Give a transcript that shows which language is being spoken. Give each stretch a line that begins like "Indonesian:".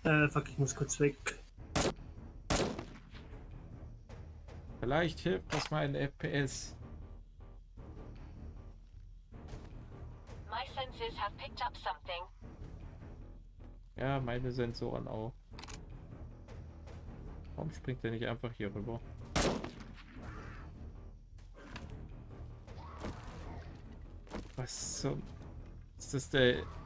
German: Fuck, ich muss kurz weg. Vielleicht hilft das mal ein FPS.
English: My senses have picked up something.
German: Ja, meine Sensoren auch. Warum springt der nicht einfach hier rüber? Was zum... Ist das der...